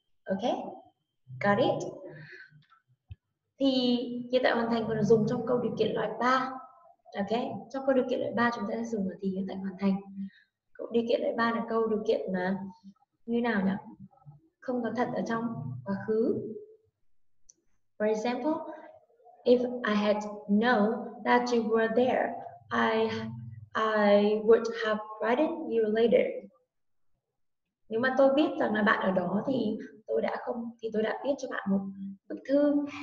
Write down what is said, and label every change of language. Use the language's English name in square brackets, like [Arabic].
[Vietnamese] Ok, [English] got it. [Vietnamese] Thì hiện tại hoàn thành còn dùng trong câu điều kiện loại 3. Ok, trong câu điều kiện loại 3 chúng ta sẽ dùng thì hiện tại hoàn thành. Câu điều kiện loại 3 là câu điều kiện mà như nào nhỉ? Không có thật ở trong quá khứ. [English] For example, if I had known that you were there, I would have written you later. [Vietnamese] Nếu mà tôi biết rằng là bạn ở đó thì tôi đã viết cho bạn một bức thư.